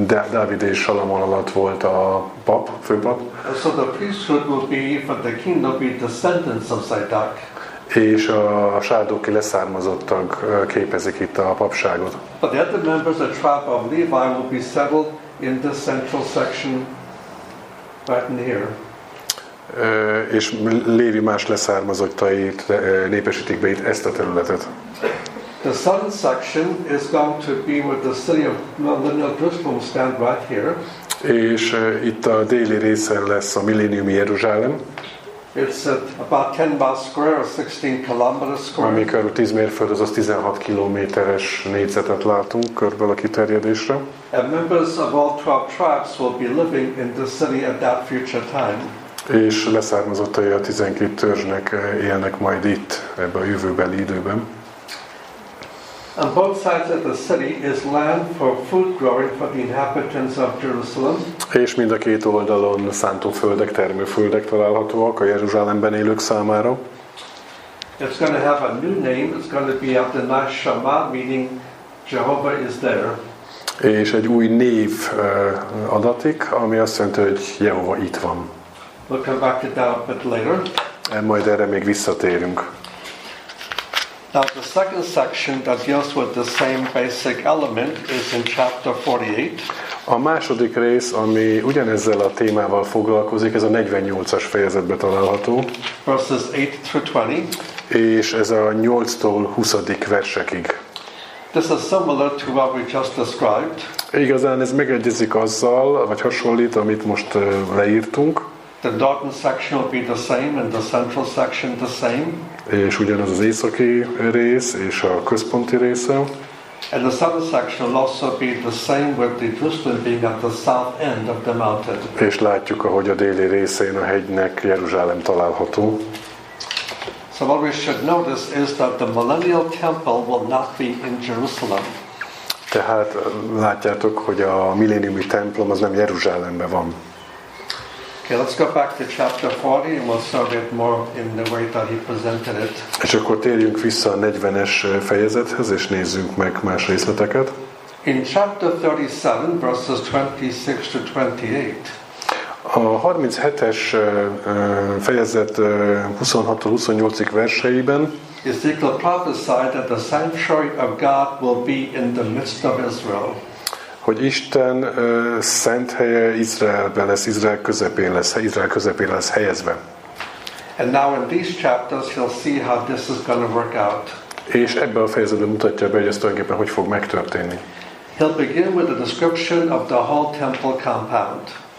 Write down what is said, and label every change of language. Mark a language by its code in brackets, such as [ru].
[hu] Dávid és Salamon alatt volt a pap, főpap. [en] So the priesthood will be for the king will be descendants of Zadok. [hu] És a sádóki leszármazottak képezik itt a papságot. [en] But the other members of the tribe of Levi will be settled in the central section right in here. [hu] És Lévi más leszármazottait népesítik be itt ezt a területet. [en] The southern section is going to be where the city of Millennial Jerusalem stand right here. [hu] És itt a déli részen lesz a milléniumi Jeruzsálem. [en] It's about 10 miles square or 16 kilometers square. [hu] Amikor 10 mérföld, az 16 kilométeres négyzetet látunk körülbelül a kiterjedésre. [en] And members of all 12 tribes will be living in the city at that future time. [hu] És leszármazottai a 12 törzsnek élnek majd itt ebben a jövőbeli időben. [en] On both sides of the city is land for food growing for the inhabitants of Jerusalem. [hu] És mind a két oldalon szántóföldek, termőföldek találhatóak a Jeruzsálemben élők számára. [en] It's going to have a new name. It's going to be after Nash Shama, meaning Jehovah is there. [hu] És egy új név adatik, ami azt jelenti, hogy Jehova itt van. [en] We'll come back to that a bit later. [hu] Majd erre még visszatérünk. [en] Now the second section that deals with the same basic element is in chapter 48. [hu] A második rész, ami ugyanezzel a témával foglalkozik, ez a 48-as fejezetben található. [en] Verses 8 through 20. [hu] És ez a 8-tól 20. versekig. [en] This is similar to what we just described. [hu] Igazán ez megegyezik azzal, vagy hasonlít, amit most leírtunk. [en] The northern section will be the same and the central section the same. [hu] És ugyanaz az északi rész és a központi része. [en] And the southern section will also be the same with the Jerusalem being at the south end of the mountain. [hu] És látjuk, ahogy a déli részén a hegynek Jeruzsálem található. [en] So what we should notice is that the millennial temple will not be in Jerusalem. [hu] Tehát látjátok, hogy a milléniumi templom az nem Jeruzsálemben van. [en] Okay, let's go back to chapter 40 and we'll survey it more in the way that he presented it. [hu] És akkor térjünk vissza a 40-es fejezethez és nézzünk meg más részleteket. [en] In chapter 37, verses 26 to 28. [hu] A 37-es fejezet 26-28-ig verseiben [en] Ezekiel prophesied that the sanctuary of God will be in the midst of Israel. [hu] Hogy Isten szent helye Izraelben lesz, Izrael közepén lesz helyezve. [en] And now in these chapters you'll see how this is going to work out. [hu] És ebben a fejezetben mutatja be, hogy ez tulajdonképpen hogy fog megtörténni. [en] He'll begin with a description of the whole temple compound.